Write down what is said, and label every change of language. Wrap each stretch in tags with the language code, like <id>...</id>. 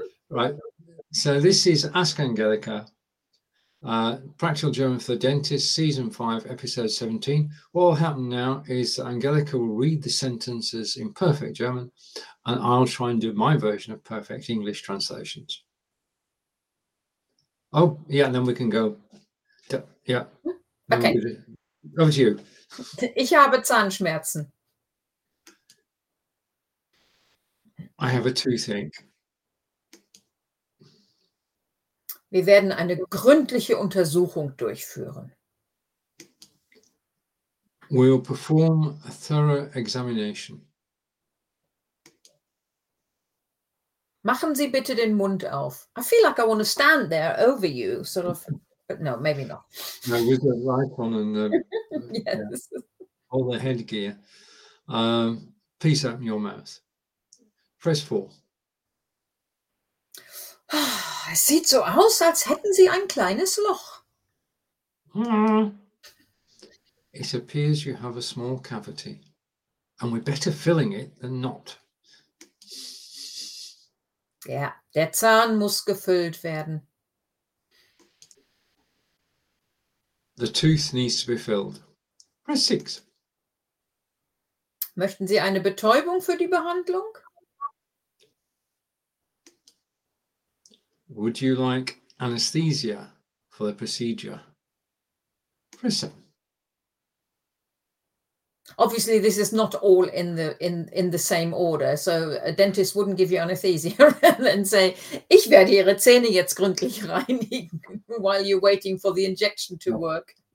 <en>Right, so this is Ask Angelica, Practical German for the Dentist, Season 5, Episode 17. What will happen now is Angelica will read the sentences in perfect German, and I'll try and do my version of perfect English translations. Oh, yeah, and then we can go. Yeah. Okay. Over to you.</en> <de>Ich habe Zahnschmerzen.</de> <en>I have a toothache.</en> <de>Wir werden eine gründliche Untersuchung durchführen.</de> <en>We will perform a thorough examination.</en> <de>Machen Sie bitte den Mund auf.</de> <en>I feel like I want to stand there over you, sort of, but no, maybe not. No, with the light on and yes. All the headgear. Please open your mouth. Press 4.</en> <de>Es sieht so aus, als hätten Sie ein kleines Loch.</de> <en>It appears you have a small cavity, and we're better filling it than not.</en> <de>Ja, der Zahn muss gefüllt werden.</de> <en>The tooth needs to be filled. Press 6.</en> <de>Möchten Sie eine Betäubung für die Behandlung?</de> <en>Would you like anesthesia for the procedure? Press 7. Obviously, this is not all in the same order. So a dentist wouldn't give you anesthesia and say,</en> <de>ich werde Ihre Zähne jetzt gründlich reinigen</de> <en>while you're waiting for the injection to work.</en>